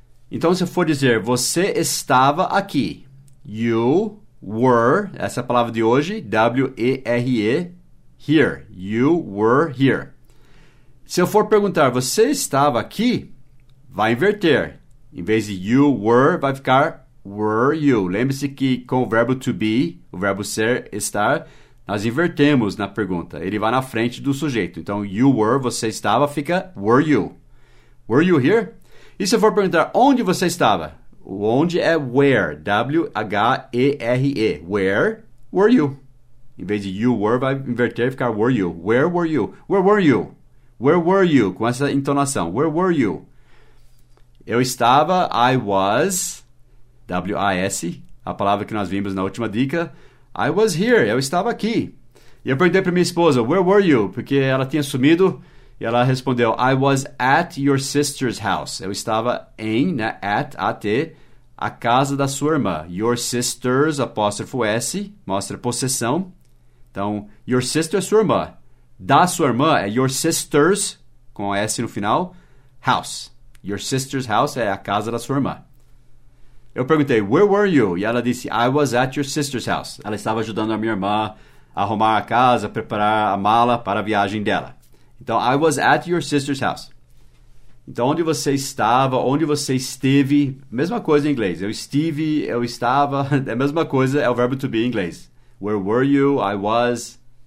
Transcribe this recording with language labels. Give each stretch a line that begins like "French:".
Portuguese: Então, se for dizer, você estava aqui.
English: You were,
Portuguese: essa é a palavra de hoje, W-E-R-E, here.
English: You were here.
Portuguese: Se eu for perguntar, você estava aqui? Vai inverter. Em vez de
English: you were,
Portuguese: vai ficar
English: were you.
Portuguese: Lembre-se que com o verbo to be, o verbo ser, estar, nós invertemos na pergunta. Ele vai na frente do sujeito. Então,
English: you were,
Portuguese: você estava, fica
English: were you. Were you here?
Portuguese: E se eu for perguntar onde você estava? O onde é where, W-H-E-R-E.
English: Where were you?
Portuguese: Em vez de
English: you were,
Portuguese: vai inverter e ficar
English: were you. Where were you? Where were you? Where were you?
Portuguese: Com essa entonação.
English: Where were you?
Portuguese: Eu estava,
English: I was,
Portuguese: W-I-S, a palavra que nós vimos na última dica.
English: I was here,
Portuguese: eu estava aqui. E eu perguntei para minha esposa,
English: where were you?
Portuguese: Porque ela tinha sumido e ela respondeu,
English: I was at your sister's house.
Portuguese: Eu estava em, né, at, A-T, a casa da sua irmã. Your sister's, apóstrofo S, mostra possessão. Então, your sister é sua irmã. Da sua irmã é your sister's, com a S no final, house.
English: Your sister's house
Portuguese: é a casa da sua irmã. Eu perguntei,
English: where were you?
Portuguese: E ela disse,
English: I was at your sister's house.
Portuguese: Ela estava ajudando a minha irmã a arrumar a casa, preparar a mala para a viagem dela. Então,
English: I was at your sister's house.
Portuguese: Então, onde você estava, onde você esteve, mesma coisa em inglês. Eu estive, eu estava, é a mesma coisa, é o verbo to be em inglês.
English: Where were you? I was.